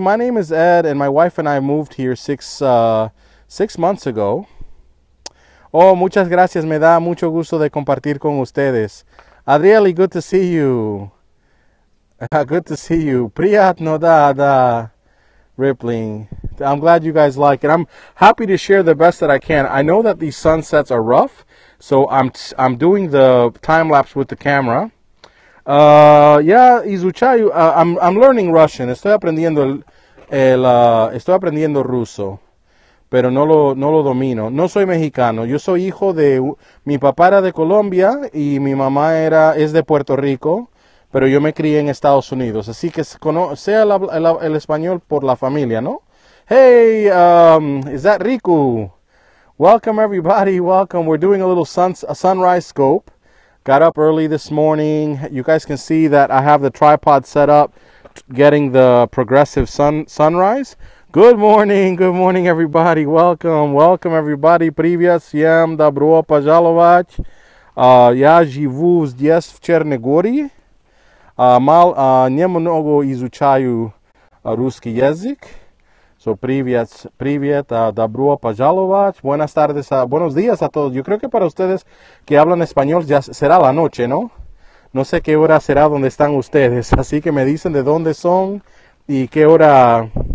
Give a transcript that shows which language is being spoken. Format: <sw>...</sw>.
<en>My name is Ed, and my wife and I moved here six months ago.</en> <es>Oh, muchas gracias. Me da mucho gusto de compartir con ustedes.</es> <en>Adrieli, good to see you. Good to see you.</en> <ru>Priyatno, da.</ru> <en>Rippling. I'm glad you guys like it. I'm happy to share the best that I can. I know that these sunsets are rough, so I'm doing the time lapse with the camera.</en> <ru>Izuchayu.</ru> <en>I'm learning Russian.</en> <es>Estoy aprendiendo ruso, pero no lo domino. No soy mexicano. Yo soy hijo de mi papá era de Colombia y mi mamá es de Puerto Rico. Pero yo me crié en Estados Unidos, así que sé el español por la familia, ¿no?</es> <en>Hey, is that Riku? Welcome, everybody, welcome. We're doing a little sunrise scope. Got up early this morning. You guys can see that I have the tripod set up, getting the progressive sunrise. Good morning, everybody. Welcome, everybody.</en> <ru>Привет всем, добро пожаловать. Я живу здесь, в Черногории. Немного изучаю русский язык. So, привет, добро пожаловать.</ru> <es>Buenas tardes, buenos días a todos. Yo creo que para ustedes que hablan español ya será la noche, ¿no? No sé qué hora será donde están ustedes. Así que me dicen de dónde son y qué hora.</es>